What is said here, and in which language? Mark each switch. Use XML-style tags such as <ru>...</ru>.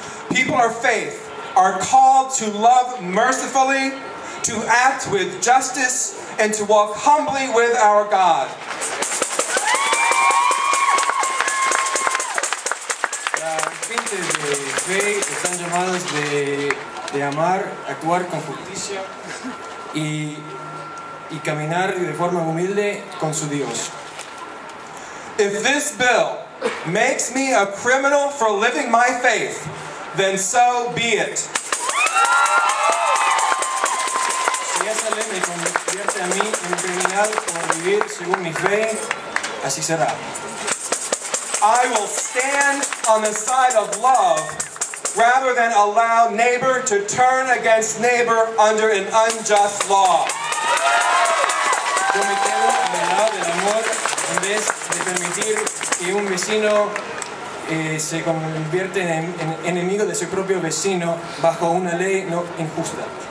<en>People of faith are called to love mercifully, to act with justice, and to walk humbly with our God.</en> <es>Fe están llamadas de amar, actuar con justicia y caminar de forma humilde con su Dios.</es> <en>If this bill makes me a criminal for living my faith, then so be it.</en> <es>Si esa ley me convierte a mí en criminal por vivir según mi fe, así será.</es> <en>I will stand on the side of love rather than allow neighbor to turn against neighbor under an unjust law.</en> <es>Yo me quedo en el lado del amor en vez de permitir que un vecino se convierte en enemigo de su propio vecino bajo una ley no injusta.</es>